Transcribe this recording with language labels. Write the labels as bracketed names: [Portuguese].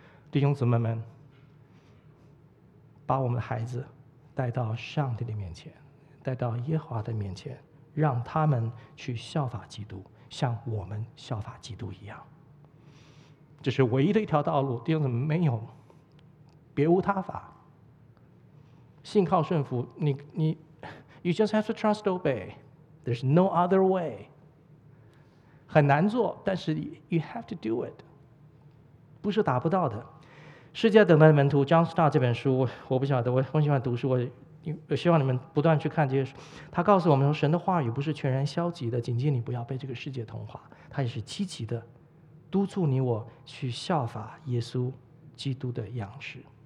[Chinese] 弟兄姊妹们，把我们的孩子带到上帝的面前，带到耶和华的面前，让他们去效法基督，像我们效法基督一样。这是唯一的一条道路，弟兄姊妹，没有，别无他法。信靠顺服，你 [English] You just have to trust, obey. There's no other way. [Chinese] 很难做，但是 [English] you have to do it. [Chinese] 不是达不到的。世界等待的门徒 ，John Stott 这本书，我不晓得，我很喜欢读书，我希望你们不断去看这些书。他告诉我们说，神的话语不是全然消极的，警戒你不要被这个世界同化，他也是积极的，督促你我去效法耶稣基督的样式。